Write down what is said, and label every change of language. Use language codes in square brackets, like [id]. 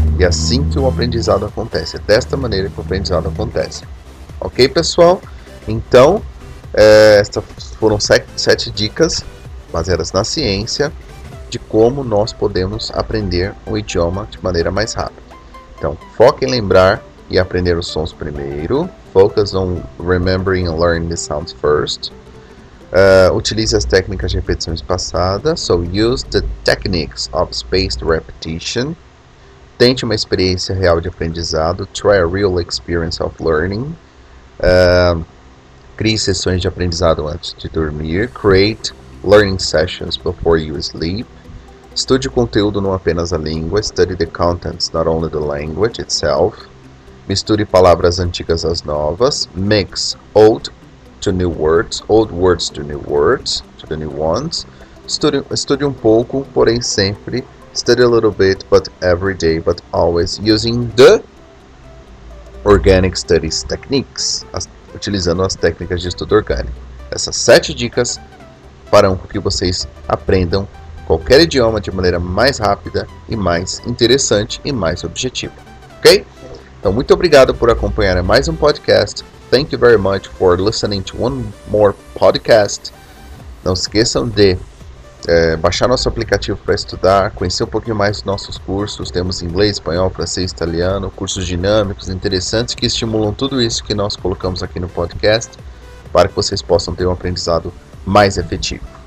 [pt] E assim que o aprendizado acontece, é desta maneira que o aprendizado acontece. Ok, pessoal? Então, estas foram sete dicas baseadas na ciência de como nós podemos aprender um idioma de maneira mais rápida. Então, foque em lembrar e aprender os sons primeiro. [en] Focus on remembering and learning the sounds first. [pt] Utilize as técnicas de repetição espaçada. [en] So, use the techniques of spaced repetition. [pt] Tente uma experiência real de aprendizado. [en] Try a real experience of learning. [pt] Crie sessões de aprendizado antes de dormir. [en] Create learning sessions before you sleep. [pt] Estude o conteúdo, não apenas a língua. [en] Study the contents, not only the language itself. [pt] Misture palavras antigas às novas. [en] Mix old to new words, old words to new words, to the new ones. [pt] Estude um pouco, porém sempre [en] Study a little bit, but every day, but always using the organic studies techniques, [pt] utilizando as técnicas de estudo orgânico. Essas 7 dicas farão com que vocês aprendam qualquer idioma de maneira mais rápida e mais interessante e mais objetiva. Ok? Então, muito obrigado por acompanhar mais podcast. [en] Thank you very much for listening to one more podcast. [pt] Não esqueçam de baixar nosso aplicativo para estudar, conhecer um pouquinho mais nossos cursos. Temos inglês, espanhol, francês, italiano, cursos dinâmicos, interessantes, que estimulam tudo isso que nós colocamos aqui no podcast para que vocês possam ter um aprendizado mais efetivo.